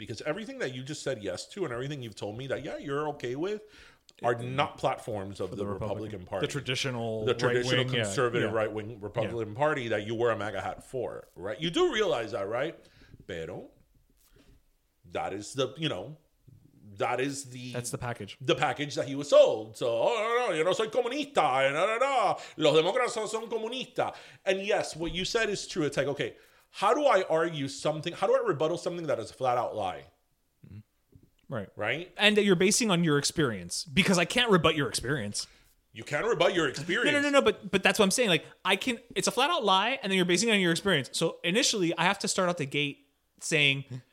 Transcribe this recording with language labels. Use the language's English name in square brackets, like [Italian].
[English] Because everything that you just said yes to and everything you've told me that, yeah, you're okay with, are not platforms of the Republican Party. The traditional right-wing, conservative, yeah, right-wing Republican, yeah, Party that you wear a MAGA hat for, right? You do realize that, right? Pero, that is the, you know, that is the... That's the package. The package that he was sold. [Spanish] So, yo no soy comunista, los demócratas son comunistas. [English] And yes, what you said is true. It's like, okay, how do I argue something, how do I rebuttal something that is a flat-out lie? Right. Right. And that you're basing on your experience, because I can't rebut your experience. You can't rebut your experience. No, but that's what I'm saying. Like, I can, it's a flat out lie, and then you're basing it on your experience. So initially, I have to start out the gate saying,